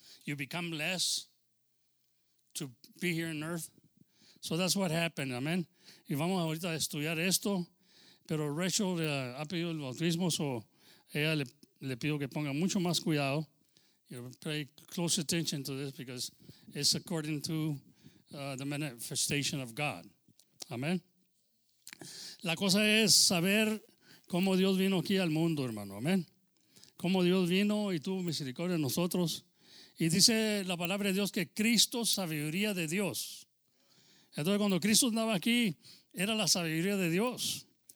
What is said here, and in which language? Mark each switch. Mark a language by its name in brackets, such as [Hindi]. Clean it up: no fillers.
[English] You become less to be here on earth. So that's what happened, [Spanish] amen. Y vamos ahorita a estudiar esto. Pero Rachel ha pedido el bautismo, so ella le pido que ponga mucho más cuidado. [English] You pay close attention to this because it's according to the manifestation of God. Amen. [Spanish] La cosa es saber cómo Dios vino aquí al mundo, hermano, amen. Cómo Dios vino y tuvo misericordia de nosotros. Y dice la palabra de Dios que Cristo, sabiduría de Dios. Entonces, cuando Cristo andaba aquí, era la sabiduría de Dios.